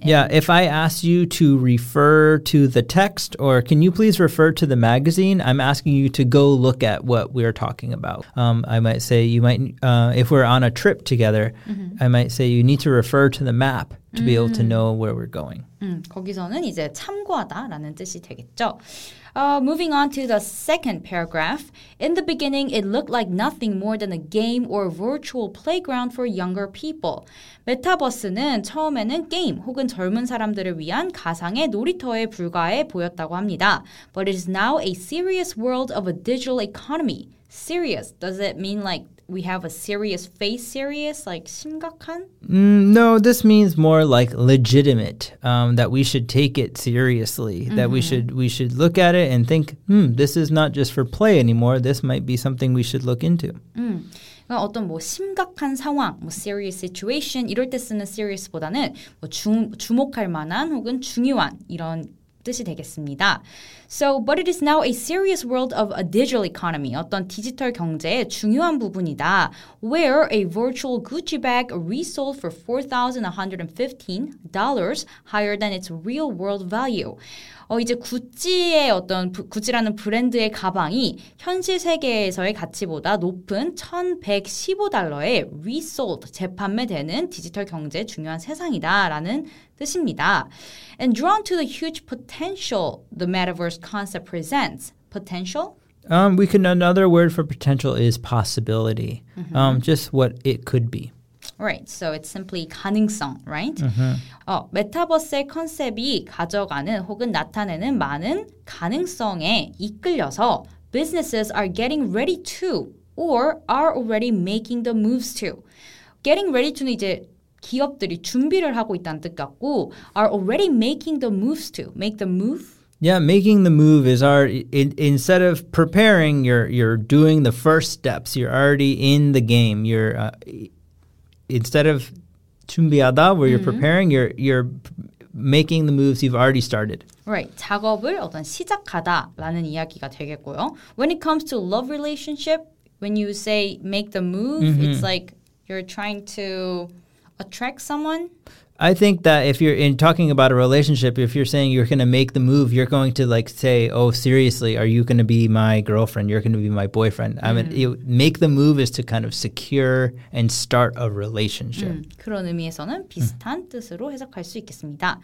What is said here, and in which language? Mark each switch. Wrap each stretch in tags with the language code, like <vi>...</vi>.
<en>If I ask you to refer to the text or can you please refer to the magazine, I'm asking you to go look at what we're talking about. I might say if we're on a trip together, mm-hmm. I might say you need to refer to the map to mm-hmm. be able to know where we're going.</en> <ko>거기서는 이제 참고하다라는 뜻이 되겠죠.</ko> <en>Moving on to the second paragraph. In the beginning, it looked like nothing more than a game or a virtual playground for younger people.</en> <ko>메타버스는 처음에는 게임 혹은 젊은 사람들을 위한 가상의 놀이터에 불과해 보였다고 합니다.</ko> <en>But it is now a serious world of a digital economy. Serious, does it mean like we have a serious face, serious, like 심각한? No, this means more like legitimate, that we should take it seriously, mm-hmm. that we should look at it and think, this is not just for play anymore. This might be something we should look into.</en> <ko>Mm. 어떤 뭐 심각한 상황, 뭐</ko> <en>serious situation</en> <ko>이럴 때 쓰는 serious보다는 뭐 주목할 만한 혹은 중요한 이런 뜻이 되겠습니다.</ko> <en>So, but it is now a serious world of a digital economy.</en> <ko>어떤 디지털 경제의 중요한 부분이다.</ko> <en>Where a virtual Gucci bag resold for $4,115 higher than its real world value.</en> <ko>이제 구찌의 어떤 구찌라는 브랜드의 가방이 현실 세계에서의 가치보다 높은 $1,115의 resold 재판매되는 디지털 경제의 중요한 세상이다라는 뜻입니다.</ko> <en>And drawn to the huge potential the metaverse concept presents. Potential? Another word for potential is possibility. Mm-hmm. Just what it could be. Right, so it's simply 가능성, right? Mm-hmm.</en> <ko>메타버스의 컨셉이 가져가는 혹은 나타내는 많은 가능성에 이끌려서</ko> <en>businesses are getting ready to or are already making the moves to. Getting ready to는</en> <ko>이제 기업들이 준비를 하고 있다는 뜻 같고</ko> <en>are already making the moves to. Make the move? Yeah, making the move is our, instead of preparing, you're doing the first steps. You're already in the game. You're... Instead of 준비하다, where you're preparing, you're making the moves you've already started. Right.</en> <ko>작업을 어떤 시작하다라는 이야기가 되겠고요.</ko> <en>When it comes to love relationship, when you say make the move, mm-hmm. it's like you're trying to attract someone. I think that if you're in talking about a relationship, if you're saying you're going to make the move, you're going to like say, oh, seriously, are you going to be my girlfriend? You're going to be my boyfriend. Mm-hmm. I mean, make the move is to kind of secure and start a relationship.</en> <ko>그런 의미에서는 비슷한 뜻으로 해석할 수 있겠습니다.</ko>